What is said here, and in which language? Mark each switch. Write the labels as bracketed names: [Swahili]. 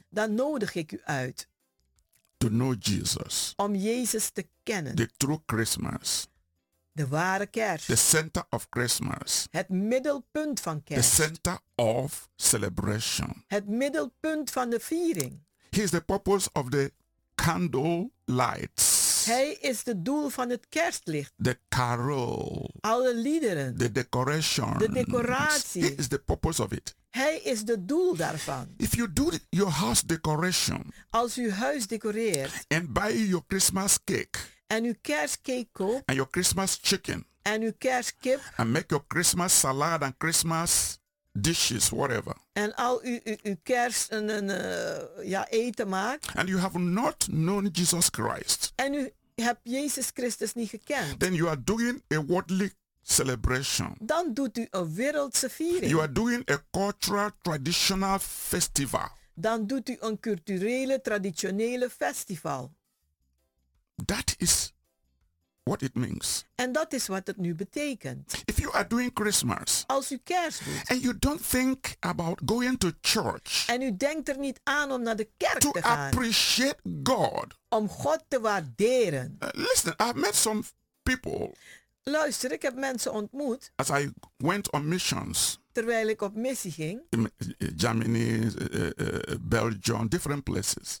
[Dutch] Dan nodig ik u uit. [English] To know Jesus. [Dutch] Om Jezus te kennen. [English] The true Christmas. [Dutch] De ware kerst. [English] The center of Christmas. [Dutch] Het middelpunt van kerst. [English] The center of celebration. [Dutch] Het middelpunt van de viering. [English] He is the purpose of the candle lights. [Dutch] Hij is de doel van het kerstlicht. [English] The carol. [Dutch] Alle liederen. [English] The decoration. [Dutch] De decoratie. [English] He is the purpose of it. [Dutch] Hij is de doel daarvan. [English] If you do your house decoration. [Dutch] Als u huis decoreert. [English] And buy your Christmas cake. [Dutch] En uw kerstcake koopt. [English] And your Christmas chicken. [Dutch] En uw kerstkip. [English] And make your Christmas salad and Christmas dishes, whatever. [Dutch] En al uw kerst eten maakt. [English] And you have not known Jesus Christ. [Dutch] En u hebt Jezus Christus niet gekend. [English] Then you are doing a worldly celebration. [Dutch] Dan doet u een wereldse viering. [English] You are doing a cultural traditional festival. [Dutch] Dan doet u een culturele traditionele festival. [English] That is what it means. [Dutch] En dat is wat het nu betekent. [English] If you are doing Christmas, [Dutch] als u kerst doet, [English] and you don't think about going to church, [Dutch] en u denkt er niet aan om naar de kerk te gaan, [English] to appreciate God, [Dutch] om God te waarderen. [English] Listen, I've met some people. [Dutch] Luister, ik heb mensen ontmoet. [English] As I went on missions, [Dutch] terwijl ik op missie ging. [English] In Germany, Belgium, different places.